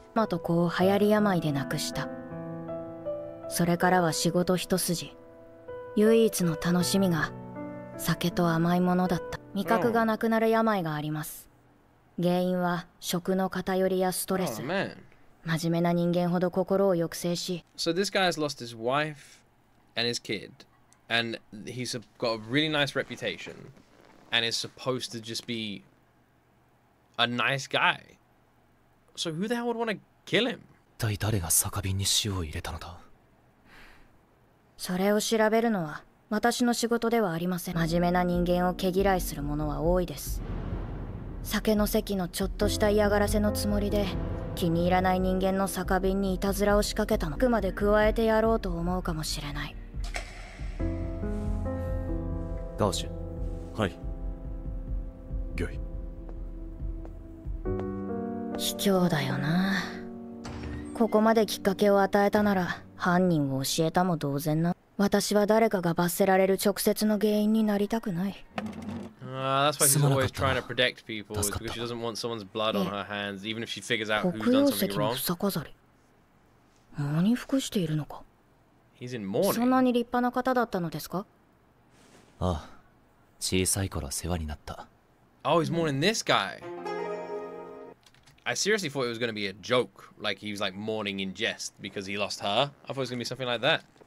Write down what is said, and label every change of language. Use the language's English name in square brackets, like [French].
[Japanese] まとこう流行り病で亡くした。それからは仕事一筋。唯一の楽しみが酒と甘いものだった。味覚がなくなる病があります。原因は食の偏りやストレス。真面目な人間ほど心を抑制し。 [English] So this guy has lost his wife and his kid, and he's got a really nice reputation, and is supposed to just be a nice guy. So who the hell would want to kill him? [Japanese] 一体誰が酒瓶に塩を入れたのだ？それを調べるのは。私の仕事ではありません。真面目な人間を毛嫌いするものは多いです。酒の席のちょっとした嫌がらせのつもりで、気に入らない人間の酒瓶にいたずらを仕掛けたの。くまで加えてやろうと思うかもしれない。ガオシュ。はい。ギョイ。卑怯だよな。ここまできっかけを与えたなら、犯人を教えたも同然な。私は誰かが罰せられる直接の原因になりたくない。 [English] That's why she's always trying to protect people, because she doesn't want someone's blood on her hands, even if she figures out who's done something wrong. [Japanese] 黒曜石の草飾り。何服しているのか。 [English] He's in mourning. [Japanese] そんなに立派な方だったのですか。ああ、小さい頃世話になった。 [English] Oh, he's mourning this guy. I seriously thought it was going to be a joke, like he was like mourning in jest because he lost her. I thought it was going to be something like that.